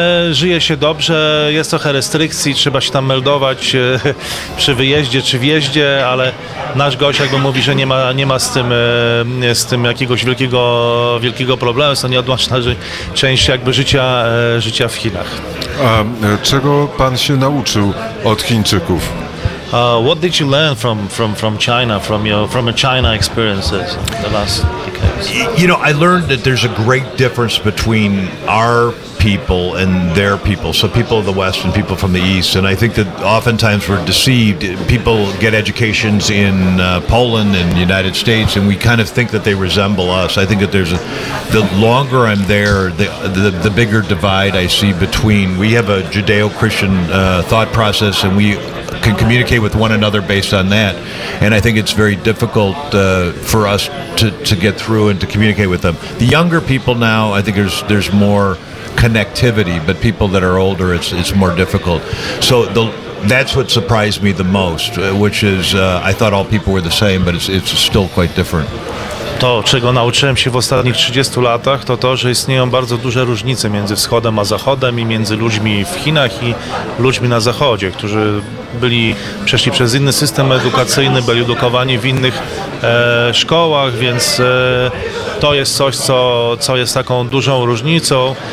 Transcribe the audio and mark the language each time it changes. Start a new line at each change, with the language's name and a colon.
Polish: Żyje się dobrze, jest trochę restrykcji, trzeba się tam meldować przy wyjeździe czy wjeździe, ale nasz gość jakby mówi, że nie ma z tym jakiegoś wielkiego problemu, jest to nieodłączna część jakby życia w Chinach. A czego pan się nauczył od Chińczyków?
English: What did you learn from China, from your China experiences in the last decades? You know, I learned that there's a great difference between our people and their people. So people of the West and people from the East. And I think that oftentimes we're deceived. People get educations in Poland and the United States, and we kind of think that they resemble us. I think that there's the longer I'm there, the bigger divide I see between. We have a Judeo-Christian thought process, and we can communicate with one another based on that, and I think it's very difficult for us to get through and to communicate with them. The younger people now, I think there's more connectivity, but people that are older, it's more difficult. So that's what surprised me the most, which is I thought all people were the same, but it's still quite different.
Polish: To, czego nauczyłem się w ostatnich 30 latach, to, że istnieją bardzo duże różnice między wschodem a zachodem i między ludźmi w Chinach i ludźmi na zachodzie, którzy przeszli przez inny system edukacyjny, byli edukowani w innych szkołach, więc to jest coś, co jest taką dużą różnicą.